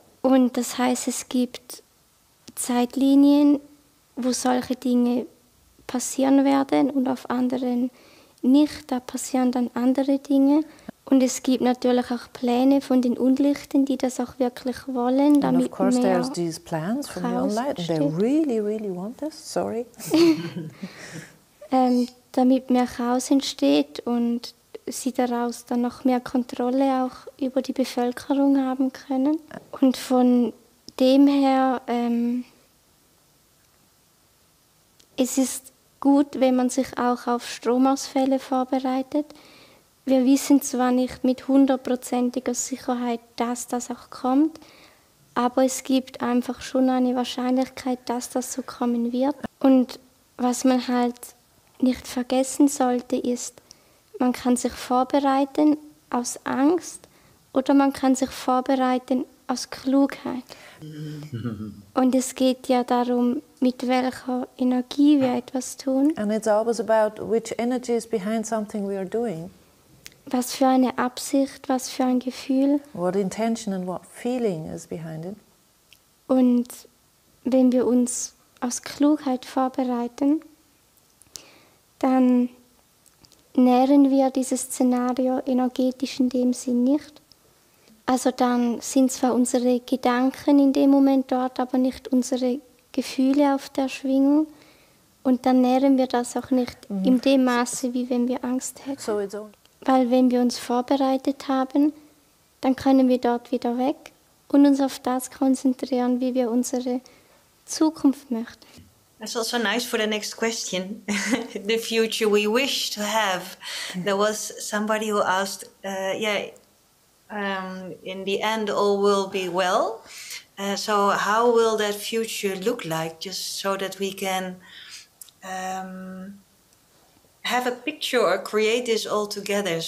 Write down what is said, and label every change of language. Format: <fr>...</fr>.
<de>Und das heißt, es gibt Zeitlinien, wo solche Dinge passieren werden und auf anderen nicht, da passieren dann andere Dinge. Und es gibt natürlich auch Pläne von den Unlichten, die das auch wirklich wollen, damit mehr Chaos entsteht.</de> <en>And of course there's these plans from the Unlight, they really, really want this, sorry.</en> <de>damit mehr Chaos entsteht und sie daraus dann noch mehr Kontrolle auch über die Bevölkerung haben können. Und von dem her, es ist gut, wenn man sich auch auf Stromausfälle vorbereitet. Wir wissen zwar nicht mit hundertprozentiger Sicherheit, dass das auch kommt, aber es gibt einfach schon eine Wahrscheinlichkeit, dass das so kommen wird. Und was man halt nicht vergessen sollte, ist, man kann sich vorbereiten aus Angst oder man kann sich vorbereiten aus Klugheit. Und es geht ja darum, mit welcher Energie wir etwas tun.</de> <en>And it's always about which energy is behind something we are doing.</en> <de>Was für eine Absicht, was für ein Gefühl.</de> <en>What intention and what feeling is behind it.</en> <de>Und wenn wir uns aus Klugheit vorbereiten, dann nähren wir dieses Szenario energetisch in dem Sinn nicht. Also dann sind zwar unsere Gedanken in dem Moment dort, aber nicht unsere Gefühle auf der Schwingung. Und dann nähren wir das auch nicht in dem Maße, wie wenn wir Angst hätten. Weil wenn wir uns vorbereitet haben, dann können wir dort wieder weg und uns auf das konzentrieren, wie wir unsere Zukunft möchten.</de> <en>That's also nice for the next question. The future we wish to have. There was somebody who asked, in the end all will be well. So how will that future look like? Just so that we can have a picture or create this all together.</en>